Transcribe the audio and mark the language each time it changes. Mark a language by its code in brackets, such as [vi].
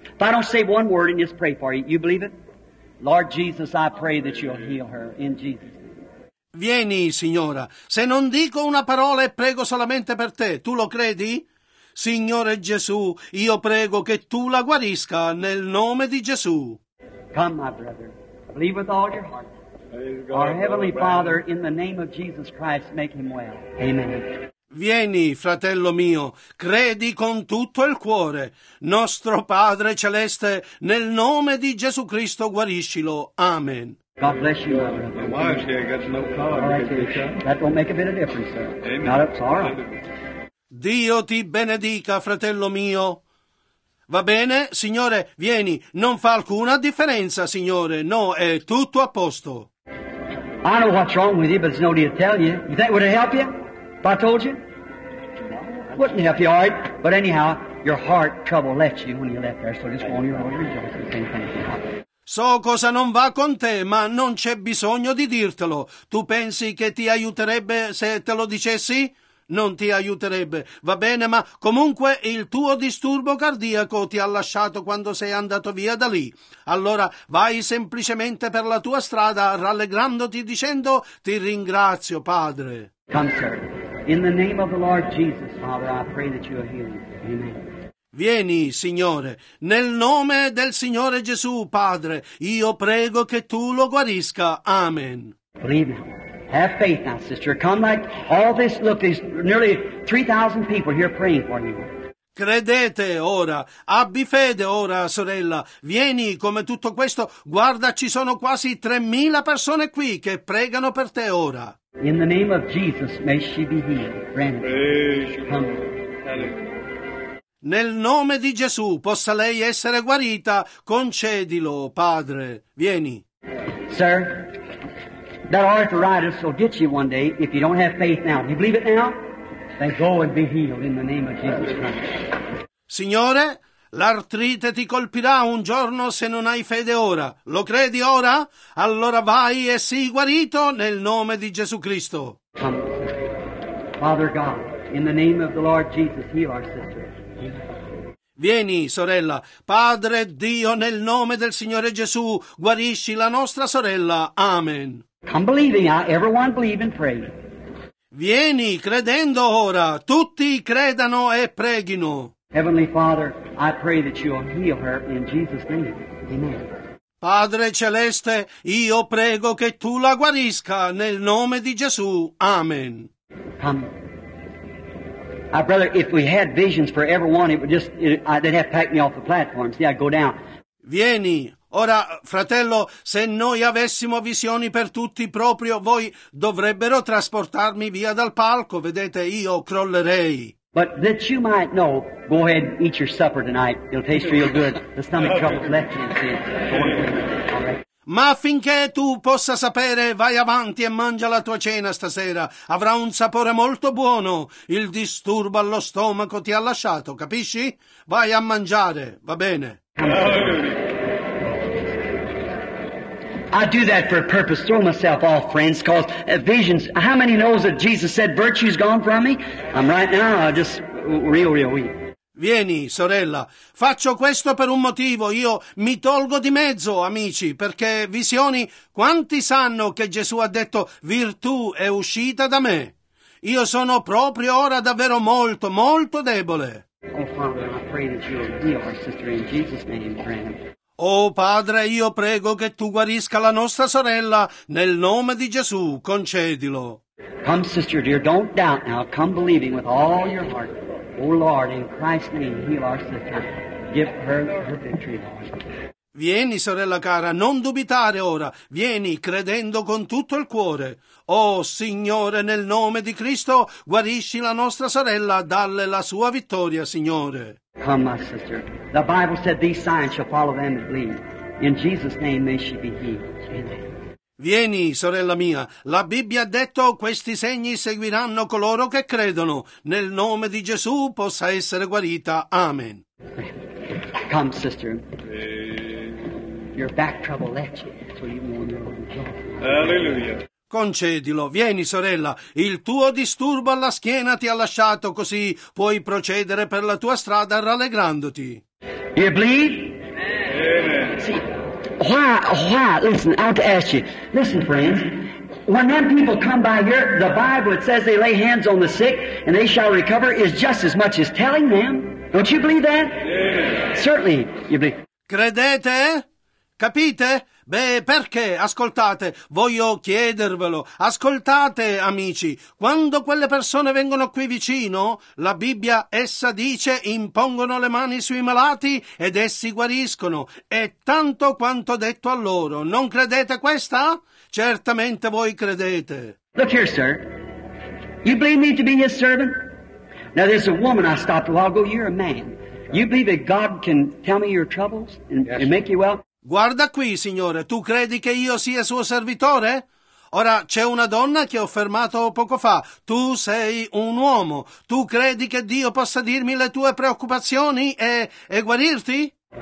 [en] If I don't say one word and just pray for you, you believe it? Lord Jesus, I pray that you'll heal her in Jesus. [it] Vieni, signora. Se non dico una parola e prego solamente per te, tu lo credi? Signore Gesù, io prego che tu la guarisca nel nome di Gesù. [en] Come, my brother. Believe with all your heart. Our Heavenly Father, in the name of Jesus Christ, make him well. Amen. [it] Vieni, fratello mio, credi con tutto il cuore. Nostro Padre Celeste, nel nome di Gesù Cristo, guariscilo. Amen. [en] God bless you, my brother. My wife's here, got no card. That won't make a bit of difference, sir. Amen. Not at all. Right. [it] Dio ti benedica, fratello mio. Va bene, signore, vieni. Non fa alcuna differenza, signore. No, è tutto a posto. [en] I know what's wrong with you, but there's no need to tell you. You think would it help you if I told you? No. Wouldn't help you, all right? But anyhow, your heart trouble left you when you left there, so just go on your own rejoice and same thing. [it] So cosa non va con te, ma non c'è bisogno di dirtelo. Tu pensi che ti aiuterebbe se te lo dicessi? Non ti aiuterebbe, va bene, ma comunque il tuo disturbo cardiaco ti ha lasciato quando sei andato via da lì. Allora vai semplicemente per la tua strada, rallegrandoti, dicendo: ti ringrazio, Padre. [en] Come, sir. In the name of the Lord Jesus, Father, I pray that you are healed. Amen. [it] Vieni, Signore, nel nome del Signore Gesù, Padre, io prego che tu lo guarisca. Amen. [en] Believe. Have faith now, sister. Come like all this. Look, there's nearly 3,000 people here praying for you. [it] Credete ora. Abbi fede ora, sorella. Vieni, come tutto questo. Guarda, ci sono quasi 3,000 persone qui che pregano per te ora. [en] In the name of Jesus, may she be healed. Granted. Come. [it] Nel nome di Gesù, possa lei essere guarita. Concedilo, Padre. Vieni. [en] Sir. That arthritis will get you one day if you don't have faith now. Do you believe it now? Then go and be healed in the name of Jesus Christ. [it] Signore, l'artrite ti colpirà un giorno se non hai fede ora. Lo credi ora? Allora vai e sii guarito nel nome di Gesù Cristo. [en] Come, Father God, in the name of the Lord Jesus, heal our sister. [it] Vieni, sorella. Padre Dio, nel nome del Signore Gesù, guarisci la nostra sorella. Amen. [en] Come believing, everyone believe and pray. [it] Vieni credendo ora, tutti credano e preghino. [en] Heavenly Father, I pray that you will heal her in Jesus' name. Amen. [it] Padre Celeste, io prego che tu la guarisca nel nome di Gesù. Amen. [en] Come. Our brother, if we had visions for everyone, they'd have to pack me off the platform. See, I'd go down. [it] Vieni. Ora, fratello, se noi avessimo visioni per tutti proprio, voi dovrebbero trasportarmi via dal palco, vedete, io crollerei. [en] But that you might know, go ahead, eat your supper tonight. It'll taste real good. The stomach trouble's left you, see. [it] Ma affinché tu possa sapere, vai avanti e mangia la tua cena stasera. Avrà un sapore molto buono. Il disturbo allo stomaco ti ha lasciato, capisci? Vai a mangiare, va bene. [en] I do that for a purpose. Throw myself off, friends, cause visions. How many knows that Jesus said virtue's gone from me? I'm right now, I just real weak. [it] Vieni, sorella, faccio questo per un motivo, io mi tolgo di mezzo, amici, perché visioni, quanti sanno che Gesù ha detto virtù è uscita da me? Io sono proprio ora davvero molto, molto debole. [en] Oh, Father, I pray that you will heal our sister in Jesus' name, friend. [it] Oh, Padre, io prego che tu guarisca la nostra sorella nel nome di Gesù, concedilo. [en] Come, sister dear, don't doubt now, come believing with all your heart. Oh Lord, in Christ's name, heal our sister. Give her her victory, Lord. [it] Vieni, sorella cara, non dubitare ora. Vieni, credendo con tutto il cuore. Oh, Signore, nel nome di Cristo, guarisci la nostra sorella. Dalle la sua vittoria, Signore. [en] Come, my sister. The Bible said these signs shall follow them that believe. In Jesus' name may she be healed. Amen. [it] Vieni, sorella mia, la Bibbia ha detto questi segni seguiranno coloro che credono. Nel nome di Gesù possa essere guarita. Amen. [en] Come, sister. Your back trouble left you, so you won't know the joy. Alleluia. [it] Concedilo. Vieni, sorella. Il tuo disturbo alla schiena ti ha lasciato, così puoi procedere per la tua strada rallegrandoti. [en] You believe? Amen. [it] Sì. [en] Why, listen, I have to ask you, listen friends, when them people come by here, the Bible, it says they lay hands on the sick and they shall recover is just as much as telling them. Don't you believe that? Yeah. Certainly, you believe. [it] Credete? Capite? Beh, perché? Ascoltate, voglio chiedervelo. Ascoltate, amici, quando quelle persone vengono qui vicino, la Bibbia, essa dice, impongono le mani sui malati ed essi guariscono. È tanto quanto detto a loro. Non credete questa? Certamente voi credete. [en] Look here, sir. You believe me to be his servant? Now, there's a woman I stopped a while ago. You're a man. You believe that God can tell me your troubles and make you well? [it] Guarda qui, signore, tu credi che io sia suo servitore? Ora, c'è una donna che ho fermato poco fa. Tu sei un uomo. Tu credi che Dio possa dirmi le tue preoccupazioni e guarirti?